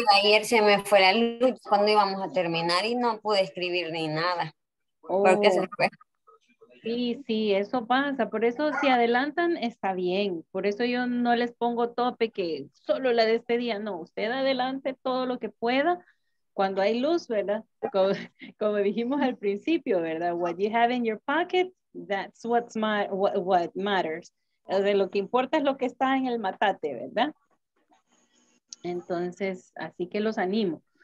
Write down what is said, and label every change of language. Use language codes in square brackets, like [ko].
[es] Ayer se me fue la luz cuando íbamos a terminar y no pude escribir ni nada. Oh. Porque se fue. Sí, sí, eso pasa. Por eso si adelantan, está bien. Por eso yo no les pongo tope que solo la de este día. No, usted adelante todo lo que pueda cuando hay luz, ¿verdad? Como dijimos al principio, ¿verdad? [en] What you have in your pocket, that's what's what matters. [es] O sea, lo que importa es lo que está en el matate, ¿verdad? Entonces, así que los animo.